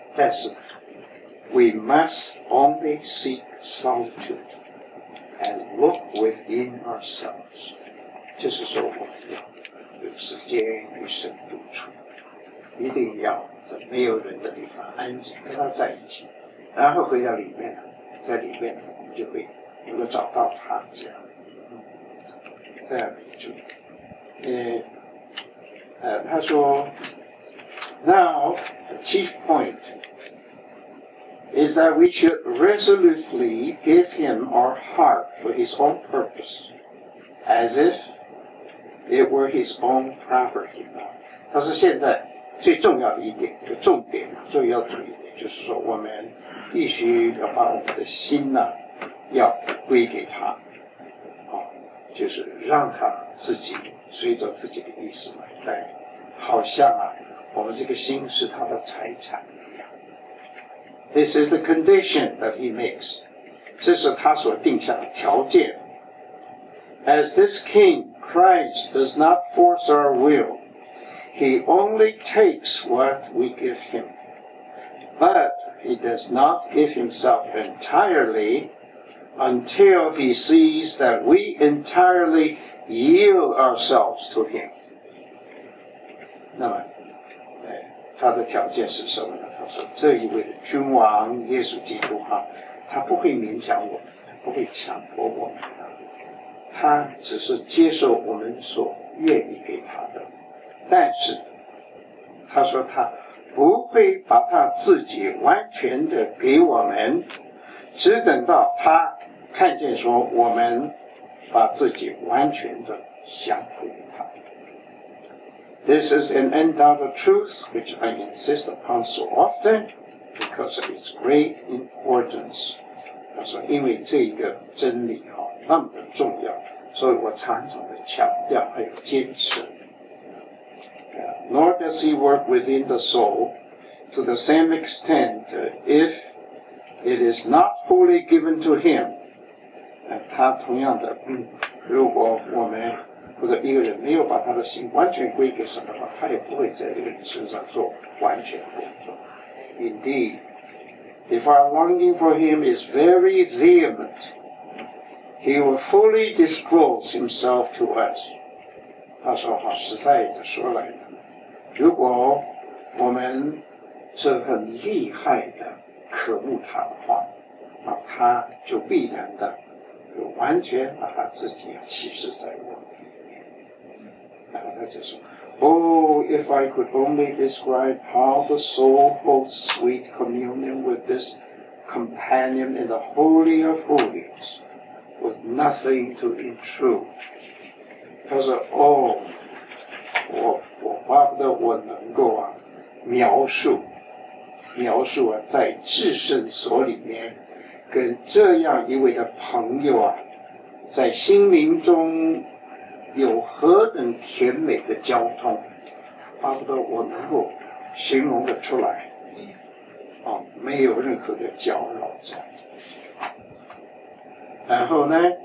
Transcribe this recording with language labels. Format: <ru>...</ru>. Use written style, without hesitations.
<zh>但是</zh> <en>We must only seek solitude and look within ourselves.</en> <zh>就是说我们要有时间与神独处，一定要在没有人的地方安静跟他在一起，然后回到里面，在里面我们就会能够找到他。这样这样为主。他说</zh> <en>Now the chief pointis that we should resolutely give him our heart for his own purpose, as if it were his own property.</en> <zh>他说现在最重要的一点，这个重点，最要注意的，就是说我们必须要把我们的心呢，要归给他，就是让他自己随着自己的意思来带，好像啊，我们这个心是他的财产。</zh> <en>This is the condition that he makes.</en> <zh>这是他所定下的条件。</zh> <en>As this king, Christ does not force our will. He only takes what we give him. But he does not give himself entirely until he sees that we entirely yield ourselves to him.</en> <zh>那么他的条件是什么呢？他说这一位的君王耶稣基督哈，他不会勉强我们，他不会强迫我们的，他只是接受我们所愿意给他的。但是他说他不会把他自己完全的给我们，只等到他看见说我们把自己完全的降服于他。</zh> <en>This is an undoubted truth which I insist upon so often because of its great importance.</en> <zh>他说因为这一个真理那么的重要，所以我常常的强调还有坚持。</zh> <en>Nor does he work within the soul to the same extent if it is not wholly given to him.</en> <zh>他同样的如果我们或者一个人没有把他的心完全归给神的话，他也不会在这个人身上做完全工作。</zh> <en>Indeed, if our longing for him is very vehement, he will fully disclose himself to us.</en> <zh>他说好，实在的说来呢，如果我们是很厉害的渴慕他的话，那他就必然的就完全把他自己启示在我。他就说</zh> <en>Oh, if I could only describe how the soul holds sweet communion with this companion in the Holy of Holies, with nothing to intrude.</en> <zh>他说 Oh, 我巴不得我能够啊描述啊在至圣所里面跟这样一位的朋友啊在心灵中有何等甜美的交通，巴不得我能够形容得出来，没有任何的搅扰。然后呢，</zh>